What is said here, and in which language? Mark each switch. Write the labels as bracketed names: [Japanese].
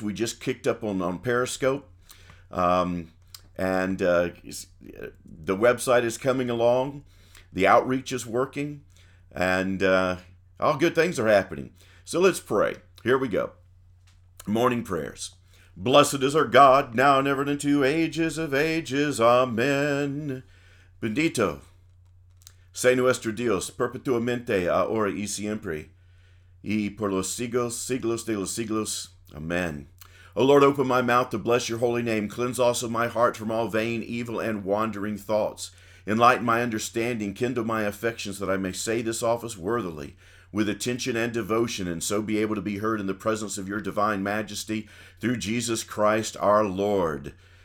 [English] We just kicked up on Periscope, and the website is coming along. The outreach is working, and all good things are happening. So let's pray. Here we go. Morning prayers. Blessed is our God, now and ever and into ages of ages. Amen. [Spanish] Bendito sea nuestro Dios, perpetuamente, ahora y siempre. Y por los siglos, siglos de los siglos. Amen. [English] O Lord, open my mouth to bless your holy name. Cleanse also my heart from all vain, evil, and wandering thoughts. Enlighten my understanding, kindle my affections, that I may say this office worthily, with attention and devotion, and so be able to be heard in the presence of your divine majesty, through Jesus Christ our Lord.